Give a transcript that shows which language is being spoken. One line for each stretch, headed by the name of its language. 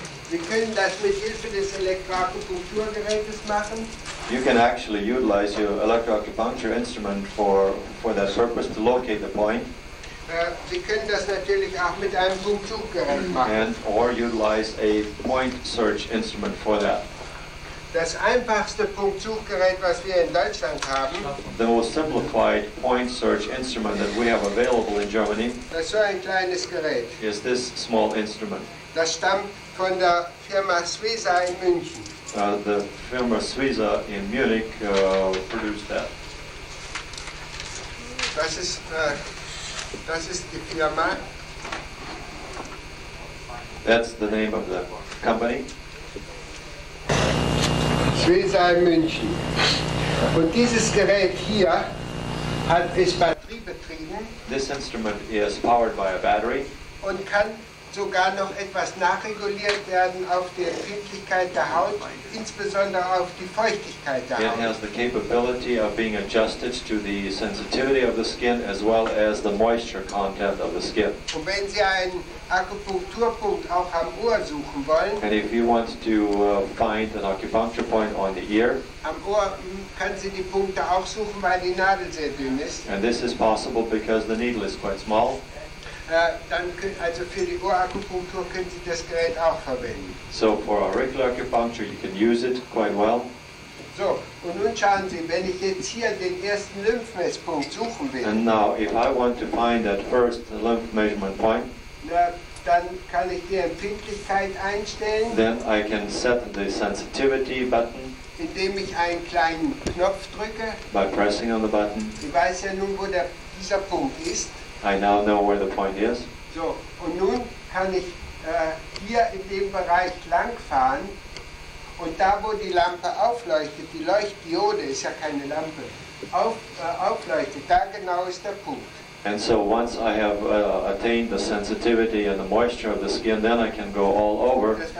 German: Sie können das mit Hilfe des Elektroakupunkturgerätes machen.
English: You can actually utilize your electroacupuncture instrument for that purpose to locate the point.
German: Sie können das natürlich auch mit einem Punktsuchgerät machen.
English: And or utilize a point search instrument for that.
German: Das einfachste Punktsuchgerät, was wir in Deutschland haben.
English: The most simplified point search instrument that we have available in Germany.
German: Das ist so ein kleines Gerät.
English: Is this small instrument.
German: Das stammt von der Firma Swisa in München.
English: The firm Swisa in Munich produced that.
German: Das ist die Firma.
English: That's the name of the company.
German: Swisa in München. Und dieses Gerät hier ist batteriebetrieben.
English: This instrument is powered by a battery.
German: Und kann sogar noch etwas nachreguliert werden auf die Empfindlichkeit der Haut, insbesondere auf die Feuchtigkeit der Haut.
English: It has the capability of being adjusted to the sensitivity of the skin as well as the moisture content of the skin.
German: Und wenn Sie einen Akupunkturpunkt auch am Ohr suchen wollen,
English: and if you want to find an acupuncture point on the ear,
German: am Ohr kann Sie die Punkte auch suchen, weil die Nadel sehr dünn ist.
English: And this is possible because the needle is quite small.
German: dann können, also für die Ohrakupunktur können Sie das Gerät auch verwenden.
English: So for a regular acupuncture you can use it quite well.
German: So, und nun schauen Sie, wenn ich jetzt hier den ersten Lymphmesspunkt suchen will.
English: And now if I want to find that first lymph measurement point.
German: Na, dann kann ich die Empfindlichkeit einstellen.
English: Then I can set the sensitivity button.
German: Indem ich einen kleinen Knopf drücke.
English: By pressing on the button.
German: Ich weiß ja nun, wo der, dieser Punkt ist.
English: I now know where the point is.
German: So, und nun kann ich hier in dem Bereich langfahren. Und da, wo die Lampe aufleuchtet, die Leuchtdiode ist ja keine Lampe, aufleuchtet, da genau ist der Punkt.
English: And so once I have attained the sensitivity and the moisture of the skin, then I can go all over.